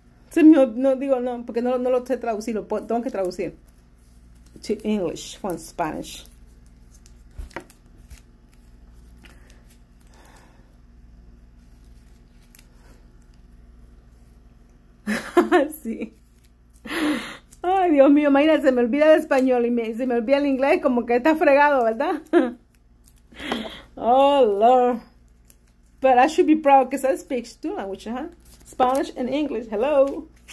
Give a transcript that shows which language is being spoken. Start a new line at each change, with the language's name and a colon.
Spanish: Se me, no digo no, porque no lo sé traducir, lo tengo que traducir.
English: To English, from Spanish.
Spanish: Sí. Ay, Dios mío, imagínate, se me olvida el español y se me olvida el inglés, como que está fregado, ¿verdad?
English: Oh, Lord. But I should be proud because I speak two languages, huh? Spanish and English, hello.